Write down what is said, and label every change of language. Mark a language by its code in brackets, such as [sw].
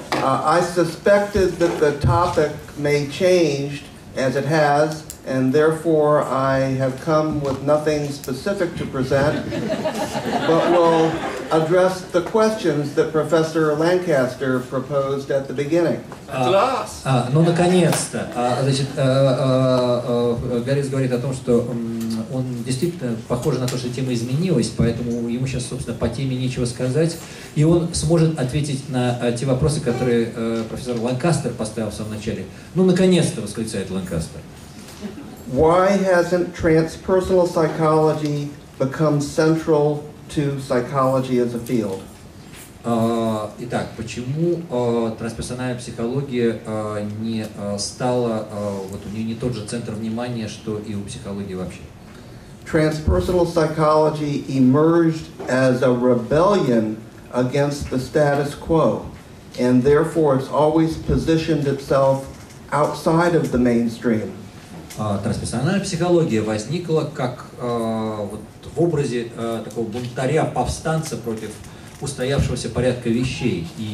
[en] I suspected that the topic may change as it has, and therefore I have come with nothing specific to present, but will address the questions that Professor Lancaster proposed at the beginning. At last! [ru] Ну, наконец-то! Значит, Борис говорит о том, что он действительно похож на то, что тема изменилась, поэтому ему сейчас, собственно, по теме нечего сказать, и он сможет ответить на те вопросы, которые профессор Ланкастер поставил в самом начале. Ну, наконец-то! Восклицает Ланкастер. [en] Why hasn't transpersonal psychology become central to psychology as a field? [ru] Итак, почему трансперсональная психология не стала, вот у нее не тот же центр внимания, что и у психологии вообще? [en] Transpersonal psychology emerged as a rebellion against the status quo, and therefore it's always positioned itself outside of the mainstream. [ru] Трансперсональная психология возникла как вот в образе такого бунтаря, повстанца против устоявшегося порядка вещей.